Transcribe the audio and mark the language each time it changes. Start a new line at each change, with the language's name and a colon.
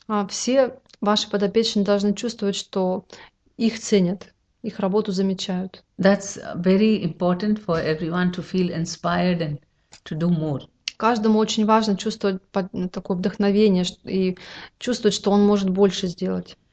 Russian: Все ваши подопечные должны чувствовать, что их ценят, их работу замечают.
English: That's very important for everyone to feel inspired and to do more.
Russian: Каждому очень важно чувствовать такое вдохновение и чувствовать, что он может больше сделать.